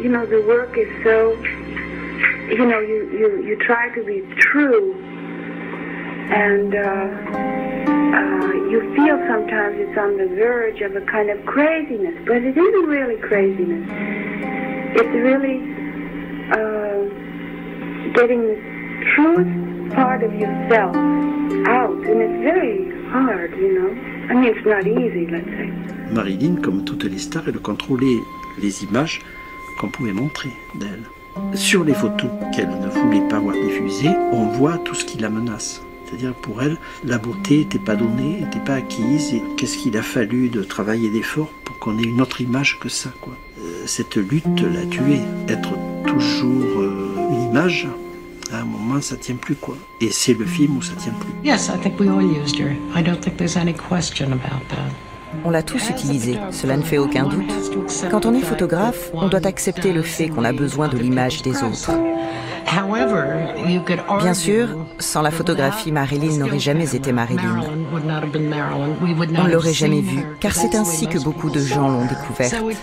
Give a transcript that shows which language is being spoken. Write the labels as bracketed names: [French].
[English] The work is so, you know, you try to be true, and you feel sometimes it's on the verge of a kind of craziness, but it isn't really craziness. It's really getting the truth part of yourself out, and it's very hard, you know. I mean, it's not easy, let's say. [French] Marilyn, comme toutes les stars, elle contrôlait les images qu'on pouvait montrer d'elle. Sur les photos qu'elle ne voulait pas voir diffusées, on voit tout ce qui la menace. C'est-à-dire, pour elle, la beauté n'était pas donnée, n'était pas acquise. Et qu'est-ce qu'il a fallu de travailler d'effort pour qu'on ait une autre image que ça, quoi. Cette lutte l'a tuée. Être toujours une image, à un moment, ça ne tient plus, quoi. Et c'est le film où ça ne tient plus. [English] Yes, I think we all used her. I don't think there's any question about that. [French] On l'a tous utilisé, cela ne fait aucun doute. Quand on est photographe, on doit accepter le fait qu'on a besoin de l'image des autres. Bien sûr, sans la photographie, Marilyn n'aurait jamais été Marilyn. On ne l'aurait jamais vue, car c'est ainsi que beaucoup de gens l'ont découverte.